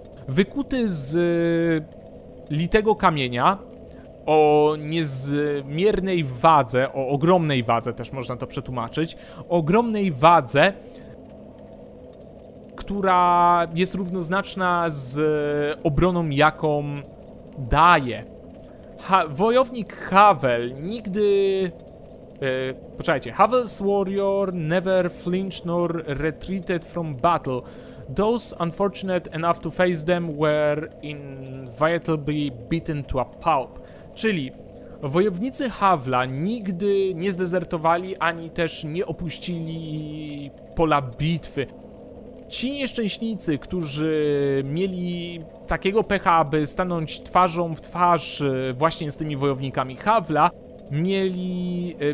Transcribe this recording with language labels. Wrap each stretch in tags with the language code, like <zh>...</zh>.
<pl>Wykuty z litego kamienia o niezmiernej wadze, o ogromnej wadze też można to przetłumaczyć, o ogromnej wadze, która jest równoznaczna z obroną, jaką daje. Wojownik Havel nigdy... poczekajcie,</pl> <en>Havel's warrior never flinched nor retreated from battle. Those unfortunate enough to face them were inevitably beaten to a pulp.</en> <pl>Czyli wojownicy Havla nigdy nie zdezertowali, ani też nie opuścili pola bitwy. Ci nieszczęśnicy, którzy mieli takiego pecha, aby stanąć twarzą w twarz właśnie z tymi wojownikami Havla, mieli...</pl>